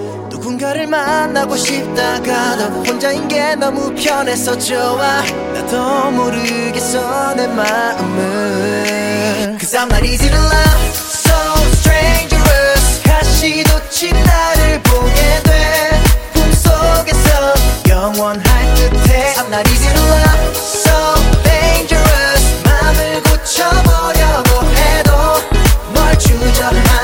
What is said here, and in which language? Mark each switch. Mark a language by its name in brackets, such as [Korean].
[Korean] 누군가를 만나고 싶다가도 혼자인 게 너무 편해서 좋아. 나도 모르겠어 내 마음을. [English] Cause I'm not easy to love, so strangerous. [Korean] 가시돋이 나를 보게 돼. 꿈속에서 영원할 듯해. [English] I'm not easy to love, so dangerous. [Korean] 마음을 고쳐보려고 해도 뭘 주저하는.